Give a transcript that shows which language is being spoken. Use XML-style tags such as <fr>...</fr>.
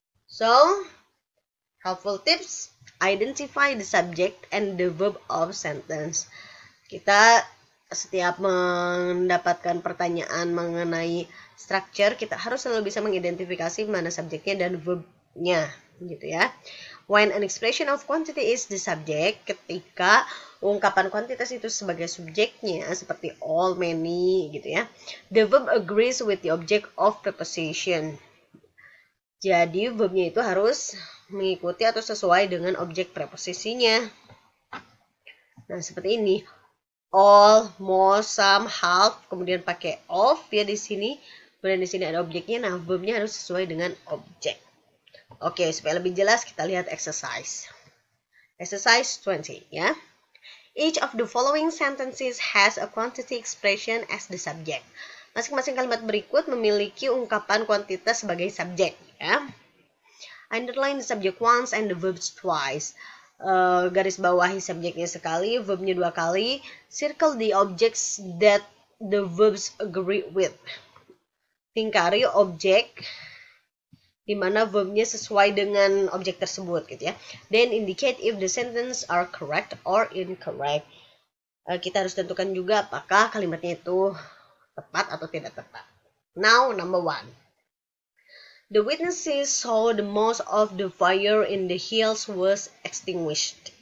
<en>So, helpful tips, identify the subject and the verb of sentence.</en> <id>Kita setiap mendapatkan pertanyaan mengenai structure, kita harus selalu bisa mengidentifikasi mana subjeknya dan verbnya, gitu ya.</id> <en>When an expression of quantity is the subject,</en> <id>ketika ungkapan kuantitas itu sebagai subjeknya, seperti all, many, gitu ya,</id> <en>the verb agrees with the object of preposition.</en> <id>Jadi, verbnya itu harus mengikuti atau sesuai dengan objek preposisinya. Nah, seperti ini, all, most, some, half, kemudian pakai of ya di sini, kemudian di sini ada objeknya, nah verbnya harus sesuai dengan objek. Oke, supaya lebih jelas kita lihat exercise. Exercise 20 ya.</id> <en>Each of the following sentences has a quantity expression as the subject.</en> <id>Masing-masing kalimat berikut memiliki ungkapan kuantitas sebagai subjek ya.</id> <en>Underline the subject once and the verbs twice.</en> <id>Garis bawahi subjeknya sekali, verbnya dua kali.</id> <en>Circle the objects that the verbs agree with.</en> <id>Lingkari objek di mana verbnya sesuai dengan objek tersebut gitu ya.</id> <en>Then indicate if the sentence are correct or incorrect.</en> <id>Kita harus tentukan juga apakah kalimatnya itu tepat atau tidak tepat.</id> <en>Now number one. The witnesses saw the most of the fire in the hills was extinguished.</en>